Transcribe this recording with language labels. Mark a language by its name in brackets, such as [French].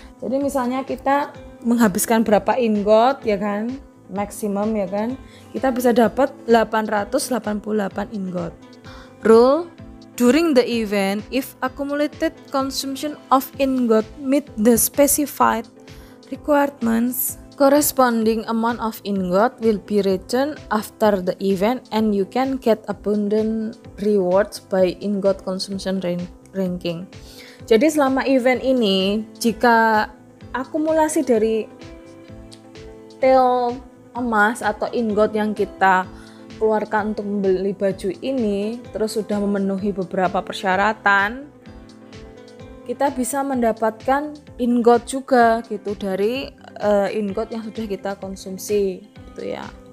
[Indonesian] Jadi misalnya kita menghabiskan berapa ingot ya kan, maksimum ya kan, kita bisa dapat 888 ingot. [English] Rule, during the event if accumulated consumption of ingot meet the specified requirements, corresponding amount of ingot will be returned after the event and you can get abundant rewards by ingot consumption ranking. [Indonesian] Jadi selama event ini jika akumulasi dari tel emas atau ingot yang kita keluarkan untuk membeli baju ini terus sudah memenuhi beberapa persyaratan, kita bisa mendapatkan ingot juga gitu dari ingot yang sudah kita konsumsi gitu ya.